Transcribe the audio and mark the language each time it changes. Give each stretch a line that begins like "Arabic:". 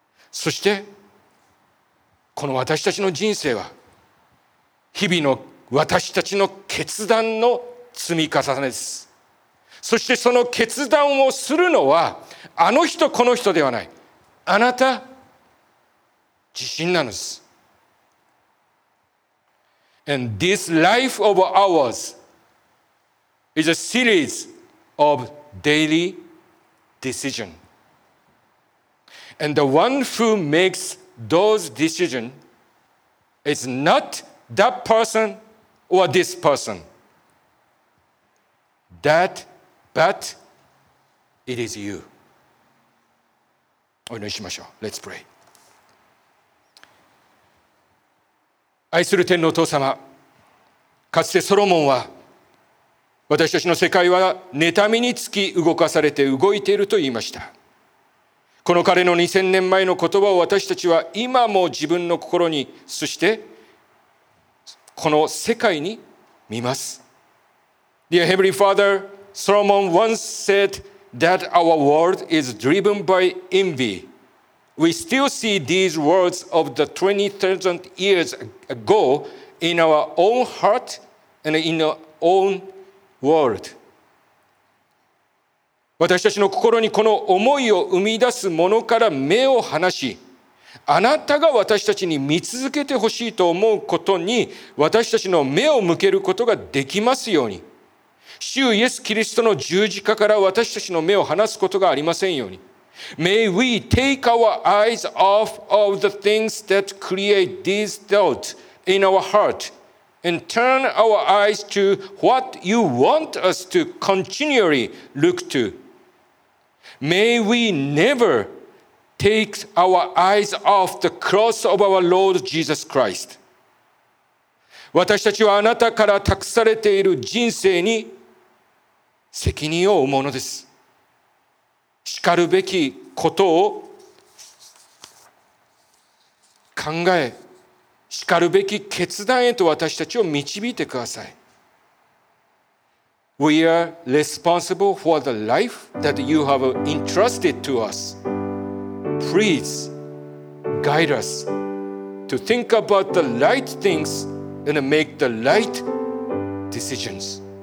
Japanese: そしてこの私たちの人生は日々の私たちの決断の積み重ねです。そしてその決断をするのはあの人この人ではない、あなた自身なのです。
English: And this life of ours is a series of daily decision. And the one who makes those decision is not that person or this person. But it is you.
Japanese: お祈りしましょう。
English: Let's pray.
Japanese: 愛する天のお父様、かつてソロモンは私たちの世界は妬みにつき動かされて動いていると言いました。この彼の2000年前の言葉を私たちは今も自分の心に、そしてこの世界に見ます。
English: Dear Heavenly Father, Solomon once said that our world is driven by envyWe still see these words of the 20,000 years ago in our own heart and in our own world.
Japanese: 私たちの心にこの思いを生み出すものから目を離し、あなたが私たちに見続けてほしいと思うことに私たちの目を向けることができますように。主イエス・キリストの十字架から私たちの目を離すことがありませんように。
English: May we take our eyes off of the things that create these doubts in our heart and turn our eyes to what you want us to continually look to. May we never take our eyes off the cross of our Lord Jesus Christ.
Japanese: 私たちはあなたから託されている人生に責任を負うものです。しかるべきことを考え、しかるべき決断へと私たちを導いてください。
English: We are responsible for the life that you have entrusted to us. Please guide us to think about the right things and make the right decisions.